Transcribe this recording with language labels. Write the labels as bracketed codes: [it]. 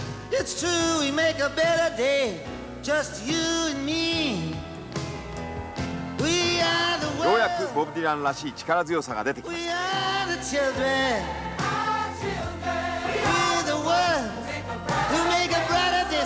[en] It's true we make a better day, just you and me. We are the [ja] ようやくボブ・ディランらしい力強さが出てきました。 [en] We are the children. Our children. We're the ones who make a brighter day.